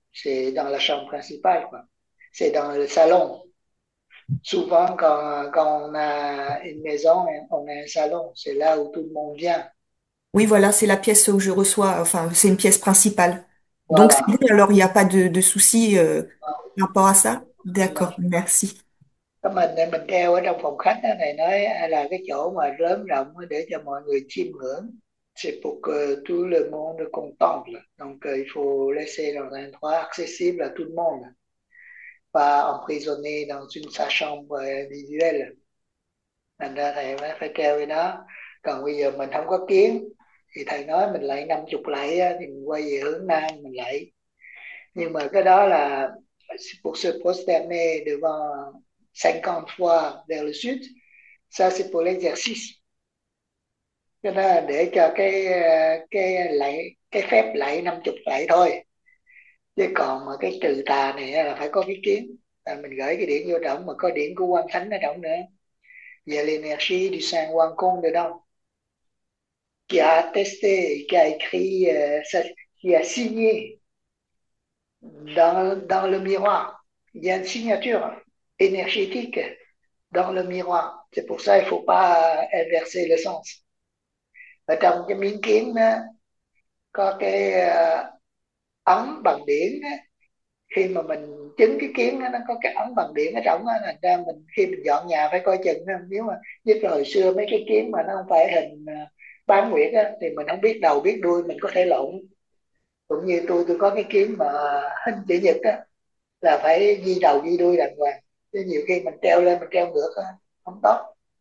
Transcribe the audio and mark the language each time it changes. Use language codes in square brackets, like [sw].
[fr] C'est dans la chambre principale, quoi. C'est dans le salon. Souvent, quand on a une maison, on a un salon. C'est là où tout le monde vient. Oui, voilà, c'est la pièce où je reçois, enfin, c'est une pièce principale. Donc c'est Voilà. bon, alors il n'y a pas de souci par rapport à ça. D'accord, merci. [vi] Treo ở trong phòng khách này nói là cái chỗ mà lớn rộng để cho mọi người chiêm ngưỡng. [fr] C'est pour que tout le monde contemple. Donc, il faut laisser un endroit accessible à tout le monde. Pas emprisonné dans une sa chambre individuelle. [vi] Thành ra thầy mới phải treo với nó. Còn bây giờ mình không có kiến thì thầy nói mình lạy 50 lạy thì mình quay về hướng Nam mình lạy. Nhưng mà cái đó là [fr] pour se prosterner devant 50 fois vers le sud. Ça, c'est pour l'exercice. [vi] Cho nên là để cho cái phép lạy 50 lạy thôi. Chứ còn mà cái trừ tà này là phải có ý kiến. Là mình gửi cái điển vô trong mà có điển của quan thánh ở trong nữa. Về l'énergie du sang quan côn được đâu. [fr] Qui a testé, qui a écrit, qui a signé dans le miroir. Il y a une signature énergétique dans le miroir. C'est pour ça qu'il ne faut pas inverser le sens. [vi] Ở trong cái miếng kính có cái ấn bằng điển khi mà mình chứng cái kiến nó có cái ấn bằng điển ở trong á là ra mình khi mình dọn nhà phải coi chừng nếu mà nhất là hồi xưa mấy cái kiến mà nó không phải hình bán nguyệt á thì mình không biết đầu biết đuôi mình có thể lộn cũng như tôi có cái kiến mà hình chữ nhật á là phải ghi đầu ghi đuôi đàng hoàng chứ nhiều khi mình treo lên mình treo ngược á không tốt.